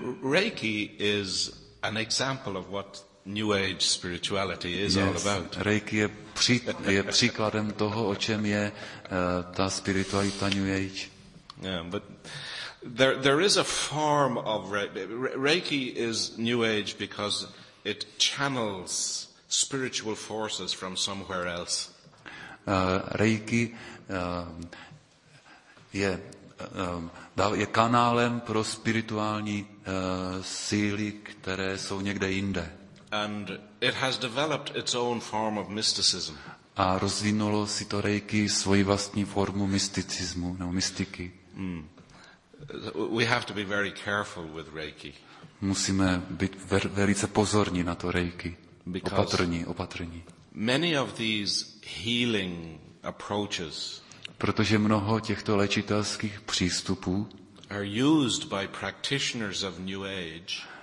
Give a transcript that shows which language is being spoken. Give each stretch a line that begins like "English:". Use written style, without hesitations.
English: Reiki is an example of what New Age spirituality is yes, all about.
Czech: Reiki je příkladem toho, o čem je ta spiritualita New Age.
English: Yeah, but there is a form of Reiki is New Age because it channels spiritual forces from somewhere else.
Czech: Reiki je kanálem pro spirituální síly, které jsou někde jinde.
English: And it has developed its own form of mysticism.
Czech: A rozvinulo si to Reiki svoji vlastní formu mysticismu nebo mystiky.
English: We have to be very careful with Reiki.
Czech: Musíme být velice pozorní na to Reiki. Opatrní.
English: Many of these healing approaches.
Czech: Protože mnoho těchto léčitelských přístupů
English: are used by practitioners of New Age.